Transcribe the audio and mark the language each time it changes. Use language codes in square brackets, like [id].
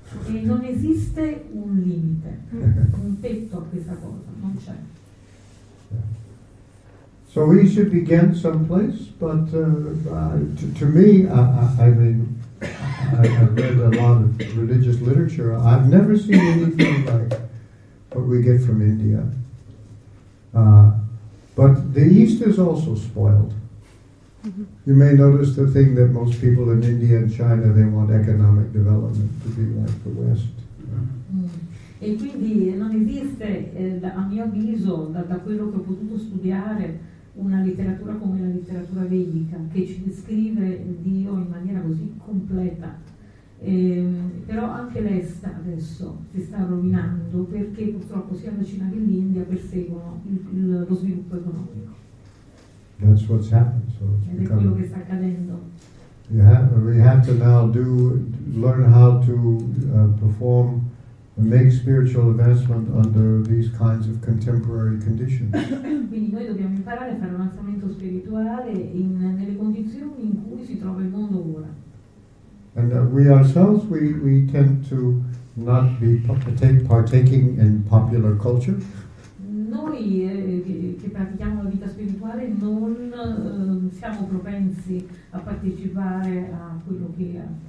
[it] Non esiste un limite, un tetto a questa cosa. Non c'è. [en] So we should begin someplace, but to me, I've read a lot of religious literature. I've never seen anything like what we get from India. But the East is also spoiled. You may notice the thing that most people in India and China, they want economic development to be like the West. [it] E quindi non esiste, a mio avviso, da quello che ho potuto studiare, una letteratura come la letteratura vedica, che ci descrive Dio in maniera così completa. Però anche l'Est adesso si sta rovinando, perché purtroppo sia la Cina che l'India perseguono lo sviluppo economico. [en] That's what's happened, so [it] ed è quello che sta accadendo. [en] We have to now learn how to perform and make spiritual advancement under these kinds of contemporary conditions. [it] Quindi noi dobbiamo imparare a fare un avanzamento spirituale nelle condizioni in cui si trova il mondo ora. [en] And we ourselves tend to not be partaking in popular culture. [it] Noi che pratichiamo la vita spirituale non siamo propensi a partecipare a quello che